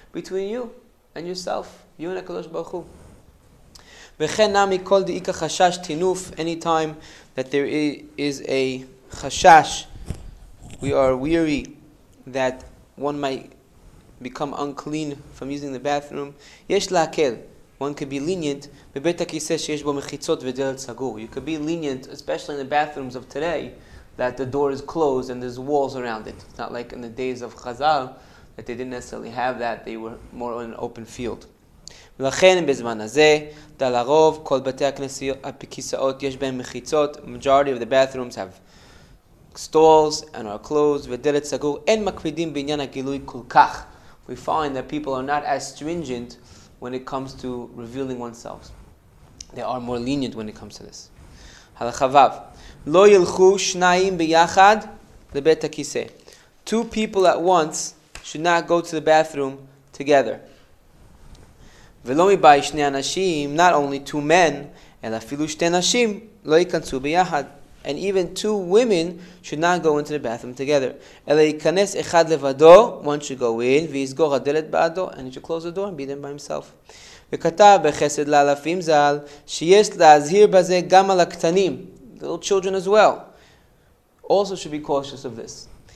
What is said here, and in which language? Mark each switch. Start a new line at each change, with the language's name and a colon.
English: Between you and yourself, you and HaKadosh Baruch Hu.
Hebrew: וכן נמי כל דעיקה חשש תינוף,
English: any time that there is a חשש, we are weary that one might become unclean from using the bathroom,
Hebrew: יש להקל,
English: one could be lenient,
Hebrew: בבית הכיסא שיש בו מחיצות ודלת סגור.
English: You could be lenient, especially in the bathrooms of today, that the door is closed and there's walls around it. It's not like in the days of Chazal, that they didn't necessarily have that, they were more on an open field.
Hebrew: ולכן בזמן הזה, דל הרוב, כל בתי הכיסאות יש בהם מחיצות.
English: Majority of the bathrooms have stalls and are closed,
Hebrew: ודלת סגור. אין מקפידים בעניין הגילוי כל כך.
English: We find that people are not as stringent when it comes to revealing oneself. They are more lenient when it comes to this.
Hebrew: הלחבב, לא ילכו שניים ביחד לבית הכיסא.
English: Two people at once should not go to the bathroom together.
Hebrew: ולא מבי שני אנשים,
English: not only two men,
Hebrew: אלא אפילו שתי נשים לא ייכנסו ביחד.
English: And even two women should not go into the bathroom together.
Hebrew: אלא ייכנס אחד לבדו,
English: one should go in,
Hebrew: ויסגור הדלת בעדו,
English: and he should close the door and be there by himself.
Hebrew: וכתב בחסד לאלפים ז"ל, שיש להזהיר בזה גם על הקטנים,
English: little children as well, also should be cautious of this.